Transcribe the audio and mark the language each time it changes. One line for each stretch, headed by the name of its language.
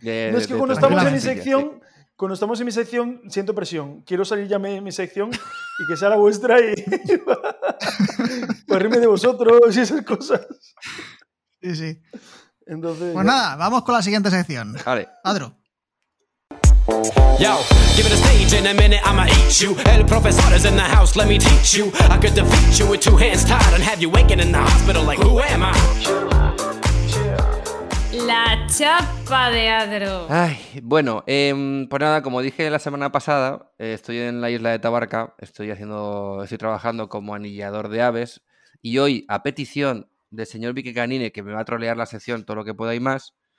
Spanish: No, es que cuando estamos en mi sección, sí. Cuando estamos en mi sección, siento presión. Quiero salir ya de mi sección y que sea la vuestra y. Para de vosotros y esas cosas. Sí, sí. Entonces, pues nada, vamos con la siguiente sección. Vale. Adro.
English: Yo, give it a stage in a minute, I'ma eat you.
Spanish: El profesor
English: is in the house, let me teach you. I could defeat you with two hands tied and have you waking in the hospital like, who am I?
Spanish: La chapa de Adro. Ay, bueno, pues nada, como dije la semana pasada, estoy en la isla de Tabarca, estoy trabajando como anillador de aves y hoy, a petición del señor Vicky Canine, que me va a trolear la sección todo lo que pueda y más.